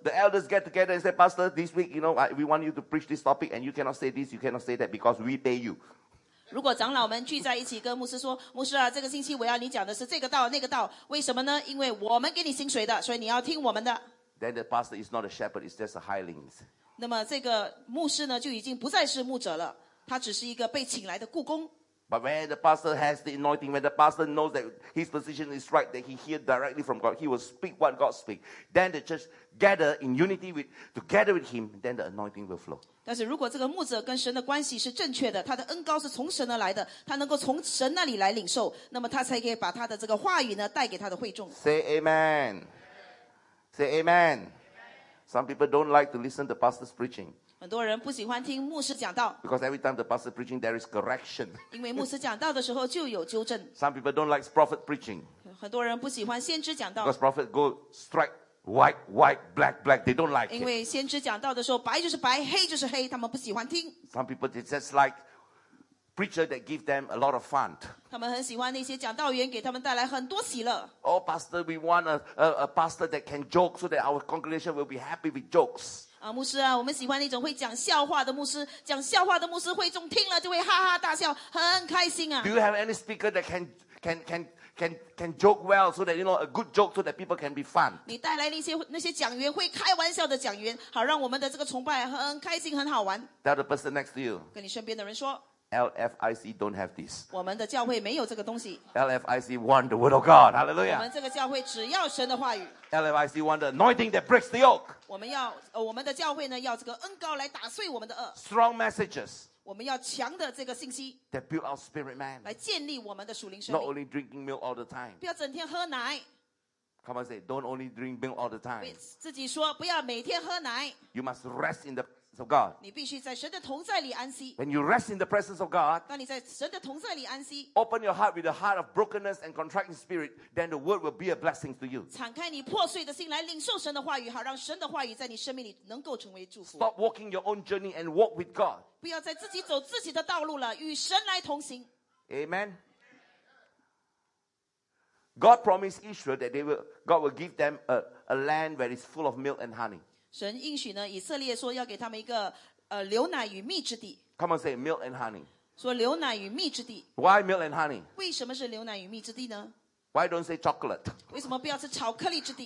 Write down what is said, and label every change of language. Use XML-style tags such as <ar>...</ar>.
<en>The elders get together and say, Pastor, this week, you know, we want you to preach this topic, and you cannot say this, you cannot say that, because we pay you.</en> <zh>如果长老们聚在一起跟牧师说，牧师啊，这个星期我要你讲的是这个道那个道，为什么呢？因为我们给你薪水的，所以你要听我们的。</zh> <en>Then the pastor is not a shepherd, it's just a hireling.</en> <zh>那么这个牧师呢，就已经不再是牧者了。他只是一个被请来的雇工。</zh> <en>But when the pastor has the anointing, when the pastor knows that his position is right, that he hears directly from God, he will speak what God speaks. Then the church gather in unity with, together with him, then the anointing will flow.</en> <zh>但是如果这个牧者跟神的关系是正确的，他的恩膏是从神而来的，他能够从神那里来领受，那么他才可以把他的这个话语呢带给他的会众。</zh> <en>Say amen. Say amen. Some people don't like to listen to pastor's preaching.</en> <zh>很多人不喜欢听牧师讲道。</zh> <en>Because every time the pastor preaching, there is correction.</en> <zh>因为牧师讲道的时候就有纠正。</zh> <en>Some people don't like prophet preaching.</en> <zh>很多人不喜欢先知讲道。</zh> <en>Because prophet go strike white, white, black, black, they don't like it.</en> <zh>因为先知讲道的时候白就是白，黑就是黑，他们不喜欢听。</zh> <en>Some people they just like preacher that give them a lot of fun.</en> <zh>他们很喜欢那些讲道员给他们带来很多喜乐。</zh> <en>Oh, pastor, we want a pastor that can joke so that our congregation will be happy with jokes.</en> <zh>啊，牧师啊，我们喜欢那种会讲笑话的牧师，讲笑话的牧师会众听了就会哈哈大笑，很开心啊。</zh> <en>Do you have any speaker that can joke well so that you know a good joke so that people can be fun?</en> <zh>你带来那些讲员会开玩笑的讲员，好让我们的这个崇拜很开心，很好玩。</zh> <en>Tell the person next to you.</en> <zh>跟你身边的人说。</zh> <en>LFIC don't have this.</en> <zh>我们的教会没有这个东西。</zh> <en>LFIC want the word of God. Hallelujah.</en> <zh>我们这个教会只要神的话语。</zh> <en>LFIC want the anointing that breaks the yoke.</en> <zh>我们的教会呢要这个恩膏来打碎我们的轭。</zh> <en>Strong messages.</en> <zh>我们要强的这个信息。</zh> <en>That build our spirit man.</en> <zh>来建立我们的属灵生命。</zh> <en>Not only drinking milk all the time.</en> <zh>不要整天喝奶。</zh> <en>Come on, say, don't only drink milk all the time.</en> <zh>自己说不要每天喝奶。</zh> <en>You must rest in the. Of God.</en> <zh>你必须在神的同在里安息。</zh> <en>When you rest in the presence of God,</en> <zh>当你在神的同在里安息。</zh> <en>Open your heart with a heart of brokenness and contracting spirit, then the word will be a blessing to you.</en> <zh>敞开你破碎的心来领受神的话语，好让神的话语在你生命里能够成为祝福。</zh> <en>Stop walking your own journey and walk with God.</en> <zh>不要再自己走自己的道路了，与神来同行。</zh> <en>Amen. God promised Israel that God will give them a land where it's full of milk and honey.</en> <zh>神应许呢，以色列说要给他们一个牛奶与蜜之地。</zh> <en>Come on, say milk and honey.</en> <zh>说牛奶与蜜之地。</zh> <en>Why milk and honey?</en> <zh>为什么是牛奶与蜜之地呢</zh> <en>？Why don't say chocolate?</en> <zh>为什么不要吃巧克力之地</zh>